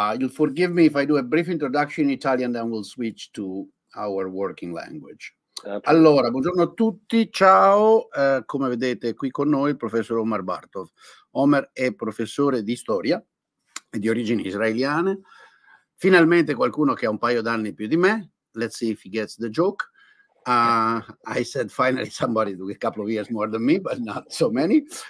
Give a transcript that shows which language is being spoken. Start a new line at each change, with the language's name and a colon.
English: You'll forgive me if I do a brief introduction in Italian, then we'll switch to our working language. Absolutely.
Italian: Allora, buongiorno a tutti, ciao. Come vedete qui con noi il professor Omer Bartov. Omer è professore di storia di origini israeliane. Finalmente qualcuno che ha un paio d'anni più di me.
English: Let's see if he gets the joke. I said finally somebody with a couple of years more than me, but not so many.